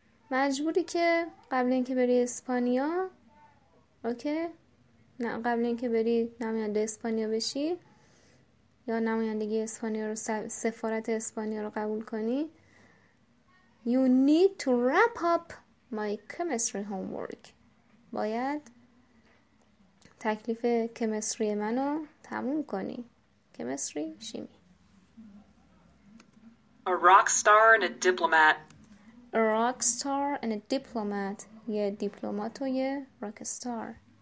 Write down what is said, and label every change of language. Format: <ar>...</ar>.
<fa>مجبوری که قبل اینکه بری اسپانیا، اوکی؟ قبل اینکه بری نماینده اسپانیا بشی یا نمایندگی اسپانیا رو سفارت اسپانیا رو قبول کنی.</fa> <en>You need to wrap up my chemistry homework.</en> <fa>باید تکلیف کمستری منو تموم کنی. کمستری شیمی.</fa> <en>A rock star and a diplomat. A rock star and a diplomat.</en> <fa>یه دیپلمات و یه</fa> <en>rock star.</en>